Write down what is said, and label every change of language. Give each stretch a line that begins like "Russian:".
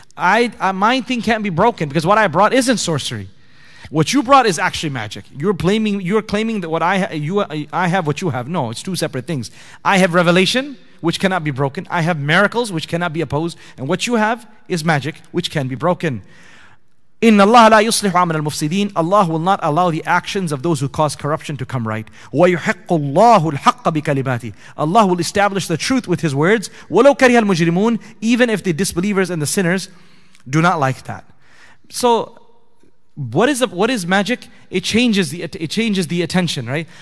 English: My thing can't be broken because what I brought isn't sorcery. What you brought is actually magic. You're claiming that what I have, what you have. No, it's two separate things. I have revelation, which cannot be broken. I have miracles, which cannot be opposed. And what you have is magic, which can be broken.
Arabic: إن الله لا يصلح عمل المفسدين.
English: Allah will not allow the actions of those who cause corruption to come right.
Arabic: ويحق الله الحق بكلماته.
English: Allah will establish the truth with His words.
Arabic: ولو كره المجرمون.
English: Even if the disbelievers and the sinners do not like that. So, what is magic? It changes the attention, right?